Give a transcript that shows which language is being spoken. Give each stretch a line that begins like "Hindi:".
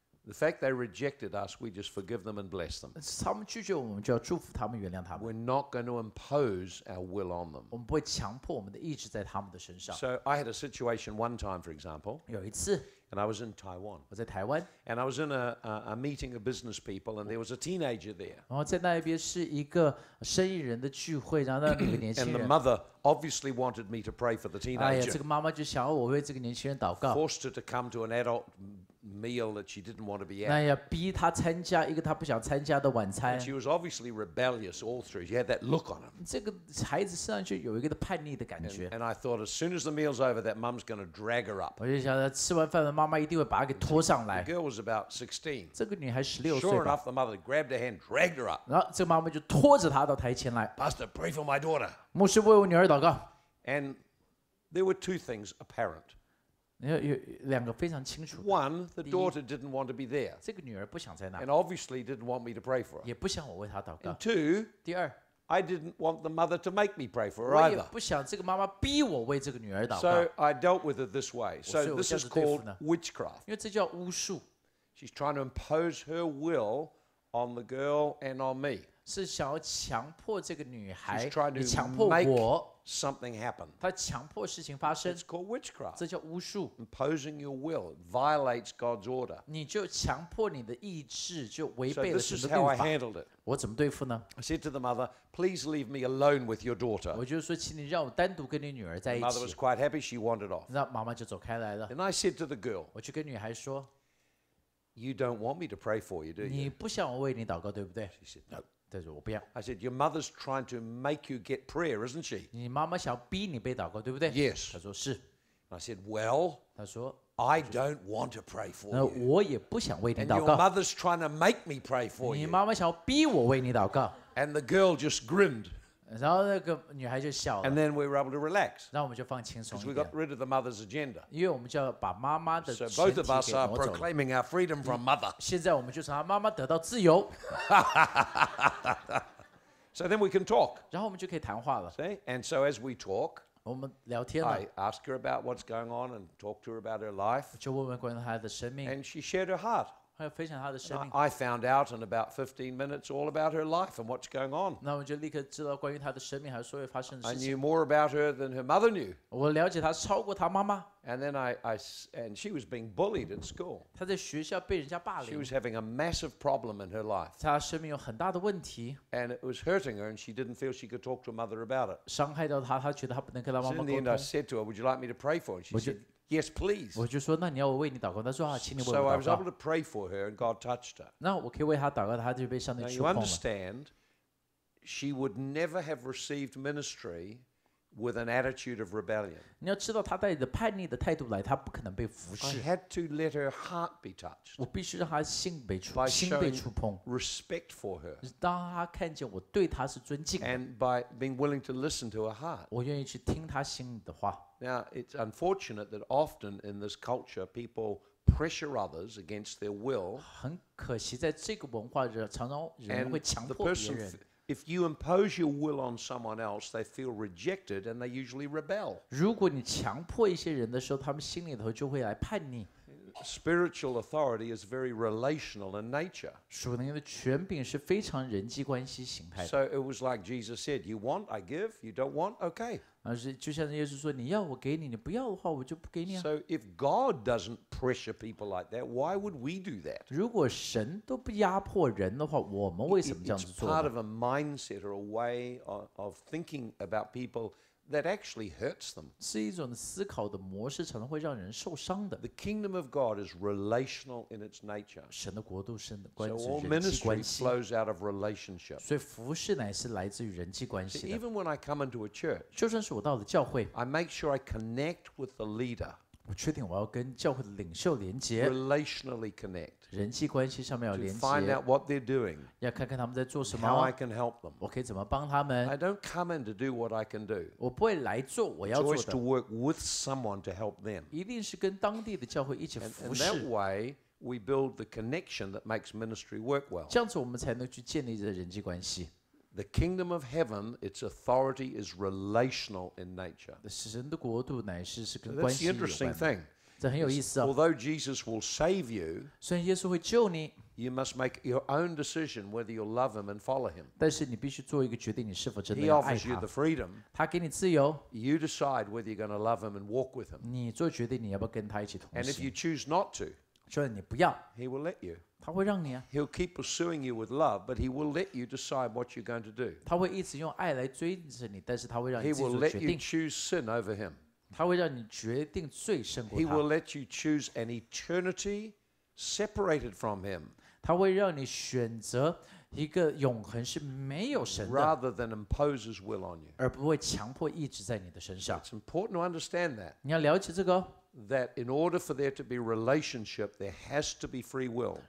English: The fact they rejected us, we just forgive them and bless them.
Chinese: 他们拒绝我们，就要祝福他们，原谅他们。
English: We're not going to impose our will on them.
Chinese: 我们不会强迫我们的意志在他们的身上。
English: So I had a situation one time, for example.
Chinese: 有一次。
English: And I was in Taiwan.
Chinese: 我在台湾。
English: And I was in a meeting of business people, and there was a teenager there.
Chinese: 然后在那边是一个生意人的聚会，然后那里有个年轻人。
English: And the mother obviously wanted me to pray for the teenager.
Chinese: 哎呀，这个妈妈就想要我为这个年轻人祷告。
English: Forced her to come to an adult. Meal that she didn't want to be at.
Chinese: 那要逼她参加一个她不想参加的晚餐。
English: She was obviously rebellious all through. She had that look on her.
Chinese: 这个孩子身上就有一个叛逆的感觉。
English: And I thought, as soon as the meal's over, that mum's going to drag her up.
Chinese: 我就想着吃完饭了，妈妈一定会把她给拖上来。
English: The girl was about 16.
Chinese: 这个女孩16岁。
English: Sure enough, the mother grabbed her hand, dragged her up.
Chinese: 然后这个妈妈就拖着她到台前来。
English: Pastor, pray for my daughter.
Chinese: 牧师为我女儿祷告。
English: And there were two things apparent.
Chinese: 有两个非常清楚。
English: One, the daughter didn't want to be there.
Chinese: 这个女儿不想在那。
English: And obviously didn't want me to pray for her.
Chinese: 也不想我为她祷告。
English: And two,
Chinese: 第二
English: I didn't want the mother to make me pray for her either.
Chinese: 我也不想这个妈妈逼我为这个女儿祷告。
English: So I dealt with it this way. So this is called witchcraft.
Chinese: 因为这叫巫术。
English: She's trying to impose her will on the girl and on me.
Chinese: 是想要强迫这个女孩。
English: She's trying to
Chinese: 你强迫我。
English: Something happened.
Chinese: 他强迫事情发生。
English: It's called witchcraft.
Chinese: 这叫巫术。
English: Imposing your will violates God's order.
Chinese: 你就强迫你的意志，就违背了神的律法。
English: So this is how I handled it.
Chinese: 我怎么对付呢
English: ？I said to the mother, "Please leave me alone with your daughter."
Chinese: 我就说，请你让我单独跟你女儿在一起。
English: The mother was quite happy. She wandered off.
Chinese: 那妈妈就走开来了。
English: And I said to the girl,
Chinese: 我就跟女孩说
English: "You don't want me to pray for you, do you?"
Chinese: 你不想我为你祷告，对不对
English: ？She said, "No." I said, your mother's trying to make you get prayer, isn't she?
Chinese: 你妈妈想逼你被祷告，对不对
English: ？Yes.
Chinese: 她说是。
English: I said, well.
Chinese: 她说
English: I don't want to pray for you.
Chinese: 那我也不想为你祷告。
English: And your mother's trying to make me pray for you.
Chinese: 你妈妈想逼我为你祷告。
English: And the girl just grinned.
Chinese: 然后那个女孩就笑了。
English: And then we were able to relax.
Chinese: 然后我们就放轻松一点。
English: Because we got rid of the mother's agenda.
Chinese: 因为我们就把妈妈的。
English: So both of us are proclaiming our freedom from mother.
Chinese: 现在我们就从她妈妈得到自由。
English: So then we can talk.
Chinese: 然后我们就可以谈话了。
English: See? And so as we talk,
Chinese: 我们聊天了。
English: I ask her about what's going on and talk to her about her life.
Chinese: 就问问关于她的生命。
English: And she shared her heart.
Chinese: 分享她的生命。
English: I found out in about 15 minutes all about her life and what's going on.
Chinese: 那我就立刻知道关于她的生命还有所有发生的事情。
English: I knew more about her than her mother knew.
Chinese: 我了解她超过她妈妈。
English: And then and she was being bullied at school.
Chinese: 她在学校被人家霸凌。
English: She was having a massive problem in her life.
Chinese: 她生命有很大的问题。
English: And it was hurting her, and she didn't feel she could talk to her mother about it.
Chinese: 伤害到她，她觉得她不能跟她妈妈沟通。
English: So in the end, I said to her, "Would you like me to pray for her?" She said. Yes, please.
Chinese: 我就说，那你要我为你祷告。他说啊，请你为我祷告。
English: So I was able to pray for her, and God touched her.
Chinese: 那我可以为她祷告，她就被上帝触碰了。
English: Now you understand, she would never have received ministry with an attitude of rebellion.
Chinese: 你要知道，她带着叛逆的态度来，她不可能被服侍。
English: I had to let her heart be touched.
Chinese: 我必须让她心被触，心被触碰。
English: Respect for her.
Chinese: 当她看见我对她是尊敬。
English: And by being willing to listen to her heart.
Chinese: 我愿意去听她心的话。
English: Now, it's unfortunate that often in this culture, people pressure others against their will.
Chinese: 很可惜，在这个文化里，常常人会强迫别人。
English: And the person If you impose your will on someone else, they feel rejected and they usually rebel.
Chinese: 如果你强迫一些人的时候，他们心里头就会来叛逆。
English: Spiritual authority is very relational in nature.
Chinese: 属灵的权柄是非常人际关系形态的。
English: So it was like Jesus said, you want, I give, you don't want, okay.
Chinese: 而是就像耶稣说，你要我给你，你不要的话，我就不给你啊。
English: So if God doesn't pressure people like that, why would we do that?
Chinese: 如果神都不压迫人的话，我们为什么这样子做呢？
English: It's part of a mindset or a way of thinking about people. That actually hurts them.
Chinese: 是一种思考的模式，常常会让人受伤的。
English: The kingdom of God is relational in its nature.
Chinese: 神的国度是关于人际关系。
English: So all ministry flows out of relationship.
Chinese: 所以服事乃是来自于人际关系的。
English: Even when I come into a church,
Chinese: 就算是我到了教会
English: ，I make sure I connect with the leader.
Chinese: 我确定我要跟教会的领袖连接。
English: Relationally connect.
Chinese: 人际关系上面要连接。
English: To find out what they're doing.
Chinese: 要看看他们在做什么。
English: How I can help them.
Chinese: 我可以怎么帮他们。
English: I don't come in to do what I can do.
Chinese: 我不会来做我要做的。
English: It's always to work with someone to help them.
Chinese: 一定是跟当地的教会一起服事。
English: And that way, we build the connection that makes ministry work well.
Chinese: 这样子我们才能去建立这人际关系。
English: The kingdom of heaven, its authority is relational in nature.
Chinese: 神的国度乃是是跟关系有关。
English: That's the interesting thing.
Chinese: 这很有意思啊。
English: Although Jesus will save you,
Chinese: 虽然耶稣会救你
English: you must make your own decision whether you love him and follow him.
Chinese: 但是你必须做一个决定，你是否真的爱
English: 他。He offers you the freedom.
Chinese: 他给你自由。
English: You decide whether you're going to love him and walk with him.
Chinese: 你做决定，你要不要跟他一起同行。
English: And if you choose not to,
Chinese: 就算你不要
English: he will let you.
Chinese: 他会让你啊。
English: He'll keep pursuing you with love, but he will let you decide what you're going to do.
Chinese: 他会一直用爱来追着你，但是他会让你自己做决定。
English: He will let you choose sin over him.
Chinese: 他会让你决定罪胜过他。
English: He will let you choose an eternity separated from him.
Chinese: 他会让你选择一个永恒是没有神的。
English: Rather than impose his will on you.
Chinese: 而不会强迫意志在你的身上。
English: It's important to understand that.
Chinese: 你要了解这个。
English: That in order for there to be relationship, there has to be free will.